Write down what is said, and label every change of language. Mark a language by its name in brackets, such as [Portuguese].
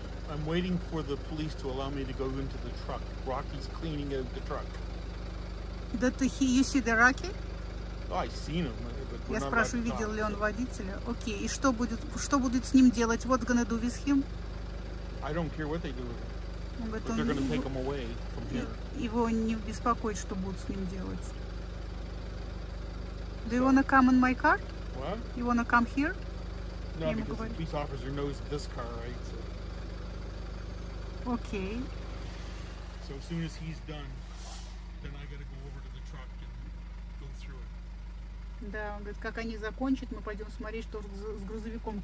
[English] I'm waiting for the police to allow me to go into the truck. Rocky's cleaning out the truck. You see the Rocky? Oh, I seen him. [Russian] Я спрашиваю, видел ли он водителя. Окей, и что будет с ним делать? [English] What's gonna do with him? I don't care what they do with him. [Russian] Его не беспокоит, что будут с ним делать. [English] Do you wanna come in my car? What? You wanna come here? No, because the police officer knows this car, right? So. Okay. So as soon as he's done, then I gotta go over to the truck and go through it. [Russian] Да, он говорит, как они закончат, мы пойдем смотреть, что с грузовиком.